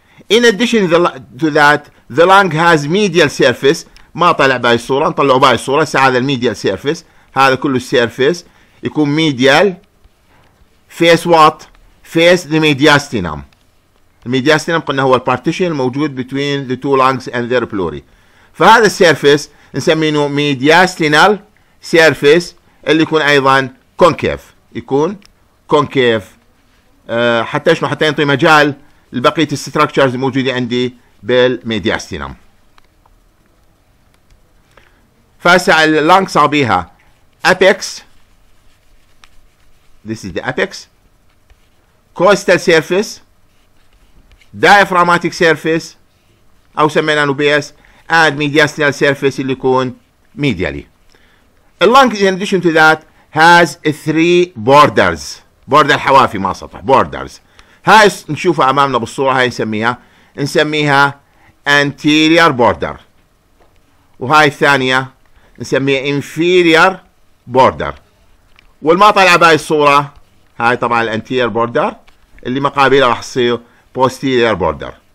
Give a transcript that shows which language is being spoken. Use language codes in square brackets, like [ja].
[en] In addition to that, the lung has medial surface. [ar] ما طلع باي الصورة، نطلعوا باي الصورة. هذا الميديال سيرفيس، هذا كله السيرفيس يكون ميديال. [en] face what? face the mediastinum. المدياستينم [ar] قلنا هو [en] البارتيشن الموجود between the two lungs and their pleurae. [ar] فهذا السيرفيس نسمينه mediastinal surface اللي يكون ايضا concave. يكون concave. حتى ايش ما حتى ينطي مجال البقية الستركتشرز الموجودة عندي بالميدياستينام. [en] فاسع اللانج صابيها apex، this is the apex، costal surface، diaphragmatic surface [ar] او سمينا نوبيس، [en] and mediastinal surface [ar] اللي يكون [en] medially. اللانج in addition to that has three borders. [ar] border حوافي ما سطح، borders. هاي نشوفها أمامنا بالصورة، هاي نسميها anterior border، وهاي الثانية نسميها inferior border. والما طالع بهاي الصورة، هاي طبعا anterior border اللي مقابلها راح تصير posterior border.